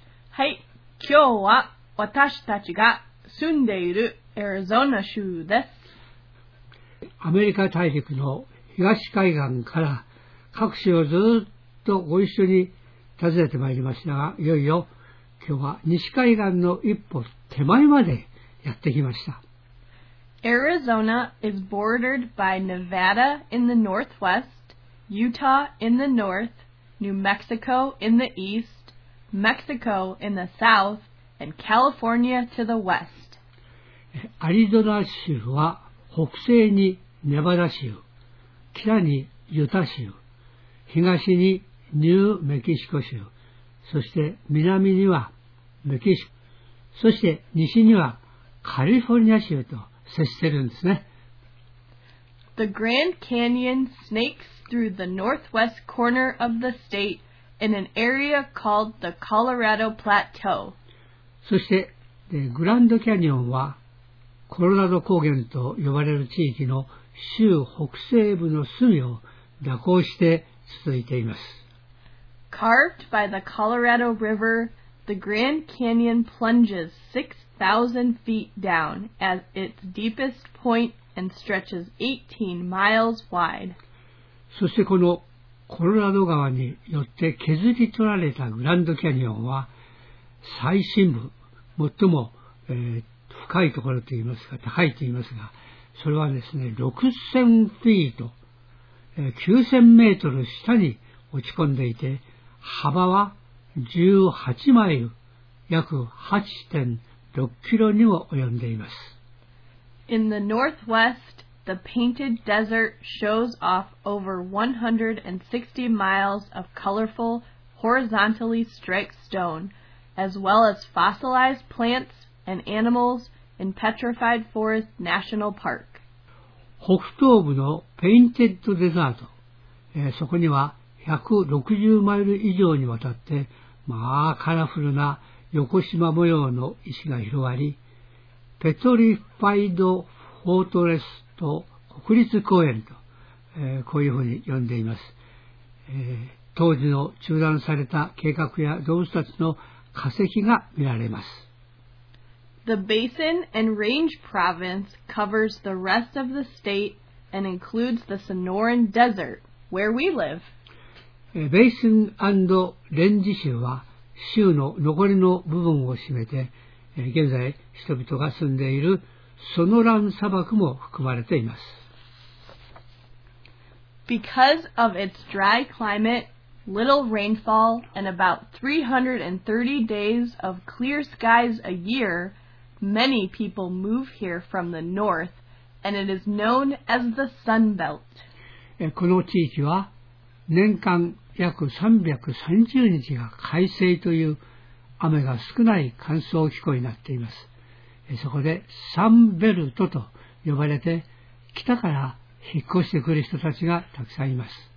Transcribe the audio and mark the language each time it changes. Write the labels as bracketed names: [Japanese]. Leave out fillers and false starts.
[Japanese] はい、今日は私たちが住んでいるアリゾナ州です。アメリカ大陸の東海岸から各州をずっとご一緒に訪ねてまいりましたが、いよいよ今日は西海岸の一歩手前までやってきました。 [English] Arizona is bordered by Nevada in the northwest, Utah in the north, New Mexico in the east, Mexico in the south, and California to the west. [Japanese] アリゾナ州は北西にネバダ州、北にユタ州、東にニューメキシコ州、そして南にはメキシコ、そして西にはカリフォルニア州と接してるんですね。 [English] The Grand Canyon snakes through the northwest corner of the state in an area called the Colorado Plateau. [Japanese] そして、グランドキャニオンはコロラド高原と呼ばれる地域の州北西部の隅を蛇行して続いています。 [English] Carved by the Colorado River, the Grand Canyon plunges 6,000 feet down at its deepest point and stretches 18 miles wide. [Japanese] そしてこのコロラド川によって削り取られたグランドキャニオンは最深部、最も、深いところといいますか、高いといいますが、それはですね、6,000 フィート、9,000 メートル下に落ち込んでいて、幅は18マイル、約 8.6 キロにも及んでいます。 [English] In the northwest, the painted desert shows off over 160 miles of colorful, horizontally striped stone, as well as fossilized plants and animals in Petrified Forest National Park. [Japanese] 北東部のペインテッドデザート、そこには160マイル以上にわたって、まあカラフルな横縞模様の石が広がり、ペトリファイドフォートレスと国立公園と、こういうふうに呼んでいます。当時の中断された計画や動物たちの化石が見られます。 [English] The Basin and Range Province covers the rest of the state and includes the Sonoran Desert where we live. [Japanese] ベーシン&レンジ州は州の残りの部分を占めて、現在人々が住んでいるソノラン砂漠も含まれています。 [English] Because of its dry climate, little rainfall and about 330 days of clear skies a year, many people move here from the north and it is known as the Sun Belt. [Japanese] この地域は年間約330日が快晴という雨が少ない乾燥気候になっています。そこでサンベルトと呼ばれて、北から引っ越してくる人たちがたくさんいます。